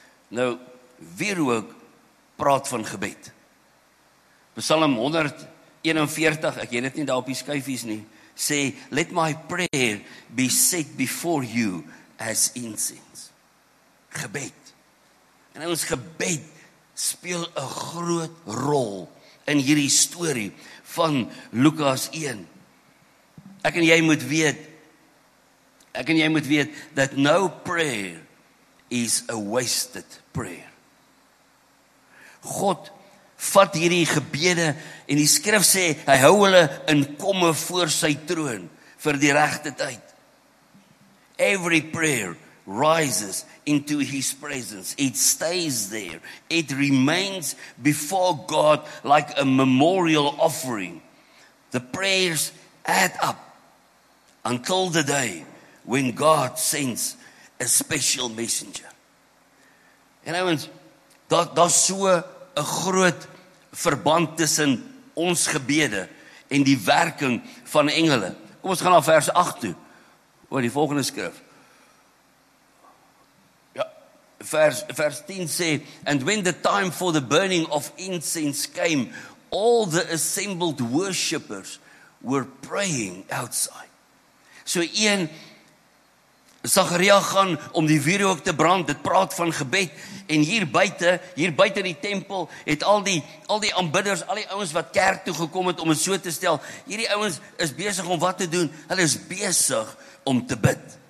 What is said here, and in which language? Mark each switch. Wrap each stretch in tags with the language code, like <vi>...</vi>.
<af>Nou, wierook praat van gebed. Psalm 141, ek het dit nie daar op die skyfies nie, sê,</af> <en>let my prayer be set before you as incense.</en> <af>Gebed. En ons gebed speel 'n groot rol in hierdie storie van Lukas 1. Ek en jy moet weet</af> <en>that no prayer is a wasted prayer.</en> <af>God vat hierdie gebede en die skrif sê, hy hou hulle in komme voor sy troon vir die regte tyd.</af> <en>Every prayer rises into his presence. It stays there. It remains before God like a memorial offering. The prayers add up until the day when God sends a special messenger.</en> <af>En nou ons, daar's so 'n groot verband tussen ons gebede en die werking van engele. Kom ons gaan na vers 8 toe. Oor die volgende skrif. Ja, vers 10 sê,</af> <en>and when the time for the burning of incense came, all the assembled worshippers were praying outside.</en> <af>So een, Sagaria gaan om die wierook te brand, dit praat van gebed, en hier buite die tempel, het al die aanbidders, al die ouens wat kerk toe gekom het, om het so te stel, hierdie ouens is besig om wat te doen, hulle is besig om te bid.</af>